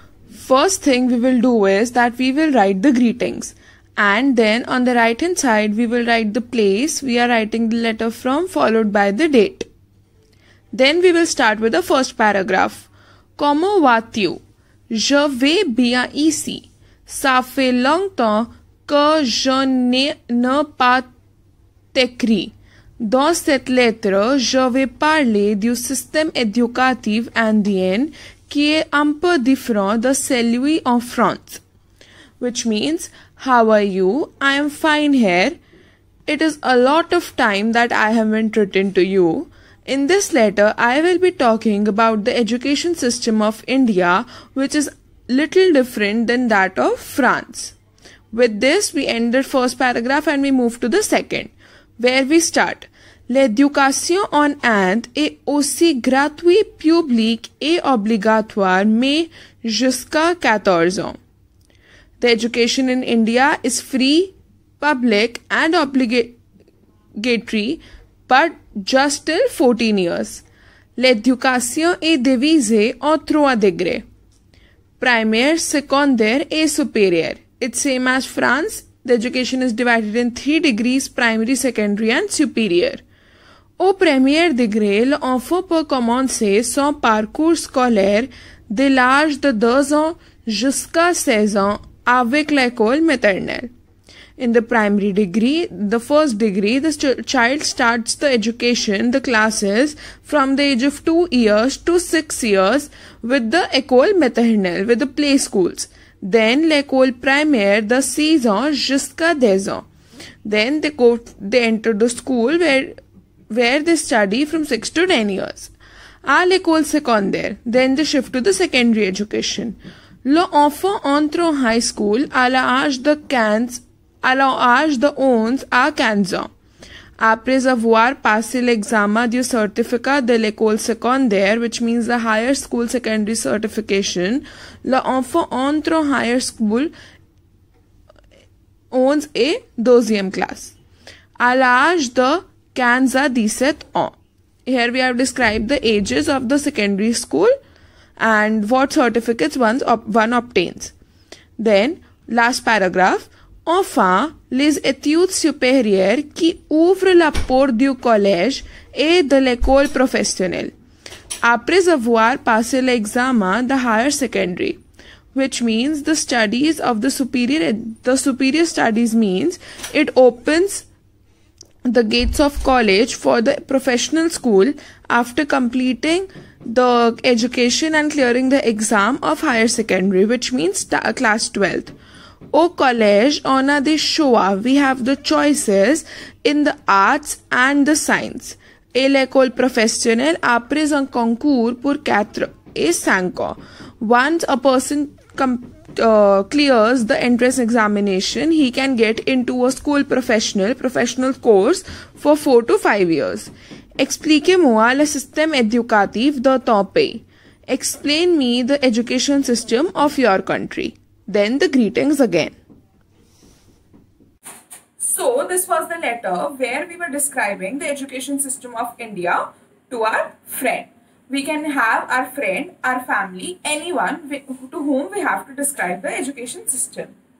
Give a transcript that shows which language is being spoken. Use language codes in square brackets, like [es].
[en] First thing we will do is that we will write the greetings, and then on the right hand side we will write the place we are writing the letter from, followed by the date. Then we will start with the first paragraph. [fr] Como vatiu? Je vais bien ici. Ça fait longtemps que je n'ai pas t'écrit. Dans cette lettre, je vais parler du système éducatif indien qui est un peu différent de celui en France. [en] Which means, how are you? I am fine here. It is a lot of time that I haven't written to you. In this letter, I will be talking about the education system of India, which is little different than that of France. With this, we end the first paragraph and we move to the second, where we start. [fr] L'éducation en Inde est aussi gratuite, publique et obligatoire, mais jusqu'à 14 ans. [en] The education in India is free, public and obligatory, but just till 14 years. [fr] L'éducation est divisée en trois degrés. Primaire, secondaire et supérieur. [en] It's same as France. The education is divided in 3 degrees, primary, secondary and superior. [fr] Au premier degré, l'enfant peut commencer son parcours scolaire dès l'âge de 2 ans jusqu'à 16 ans avec l'école maternelle. [en] In the primary degree, the first degree, the child starts the education, the classes, from the age of 2 years to 6 years with the école maternelle, with the play schools. [fr] Then, l'école primaire, the 6 ans jusqu'à 10 ans. [en] Then, they enter the school where they study from 6 to 10 years. [fr] À l'école secondaire, [en] then they shift to the secondary education. [fr] L'enfant entre en high school à l'âge de 15 ans. Alors, âge de 11 à 15 ans. Après avoir passé l'examen du certificat de l'école secondaire, [en] which means the higher school secondary certification, [fr] l'enfant entre en higher school 11 et 12e classe. À l'âge de 15 à 17 ans. [en] Here we have described the ages of the secondary school and what certificates one obtains. Then, last paragraph. [fr] Enfin, les études supérieures qui ouvrent la porte du collège et de l'école professionnelle. Après avoir passé l'examen, [en] the higher secondary, which means the studies of the superior studies means it opens the gates of college for the professional school after completing the education and clearing the exam of higher secondary, which means class 12th. [fr] Au collège, on a des choix. [en] We have the choices in the arts and the science. [fr] Et l'école professionnelle après un concours pour 4 et 5 ans. [en] Once a person clears the entrance examination, he can get into a school professional course for 4 to 5 years. [fr] Expliquez-moi le système éducatif de ton pays. [en] Explain me the education system of your country. Then the greetings again. So, this was the letter where we were describing the education system of India to our friend. We can have our friend, our family, anyone to whom we have to describe the education system.